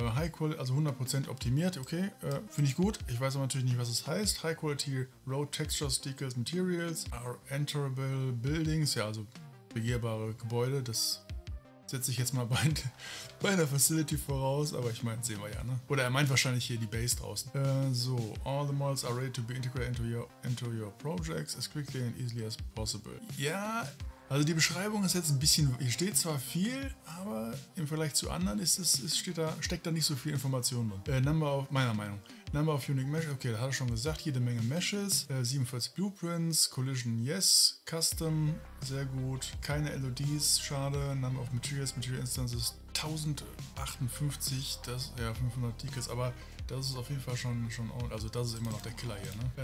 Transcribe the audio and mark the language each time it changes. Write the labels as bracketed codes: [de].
[de] High Quality, also 100% optimiert, okay, finde ich gut. Ich weiß aber natürlich nicht, was es heißt. [en] High Quality Road Textures, Decals, Materials are Enterable Buildings, [de] ja, also begehbare Gebäude, das setze ich jetzt mal bei einer Facility voraus, aber ich meine, sehen wir ja, ne? Oder er meint wahrscheinlich hier die Base draußen. [en] So, all the models are ready to be integrated into your projects as quickly and easily as possible. [de] Ja. Also die Beschreibung ist jetzt ein bisschen, hier steht zwar viel, aber im Vergleich zu anderen steckt da nicht so viel Information drin. Number of unique meshes, okay, da hat er schon gesagt, jede Menge Meshes, 47 Blueprints, Collision, yes, Custom, sehr gut, keine LODs, schade, Number of Materials, Material Instances, 1058, das, ja, 500 Decals, aber das ist auf jeden Fall schon, also das ist immer noch der Killer hier, ne?